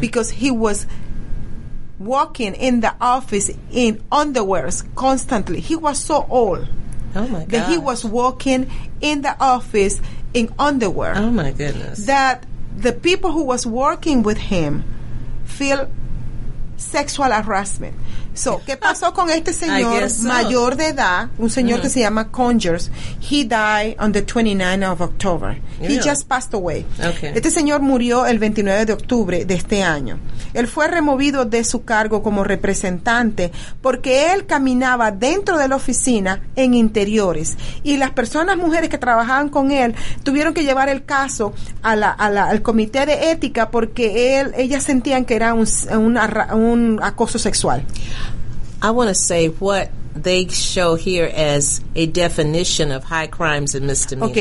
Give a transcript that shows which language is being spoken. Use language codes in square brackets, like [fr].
[en] because he was walking in the office in underwears constantly. He was so old. Oh my God. That he was walking in the office in underwear. Oh my goodness. That the people who was working with him feel sexual harassment. [es] So, ¿qué pasó con este señor mayor de edad? Un señor que se llama Conyers. [en] He died on the 29th of October. Yeah. He just passed away. Okay. [es] Este señor murió el 29 de octubre de este año. Él fue removido de su cargo como representante porque él caminaba dentro de la oficina en interiores. Y las personas mujeres que trabajaban con él tuvieron que llevar el caso al comité de ética porque ellas sentían que era un acoso sexual. [en] I want to say what they show here as a definition of high crimes and misdemeanors.